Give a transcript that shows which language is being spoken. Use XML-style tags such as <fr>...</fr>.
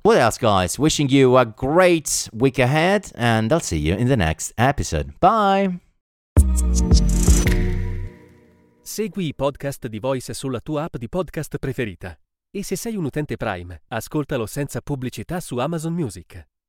<en>What else, guys? Wishing you a great week ahead, and I'll see you in the next episode. Bye!</en> <it>Segui i podcast di Voice sulla tua app di podcast preferita. E se sei un utente Prime, ascoltalo senza pubblicità su Amazon Music.</it>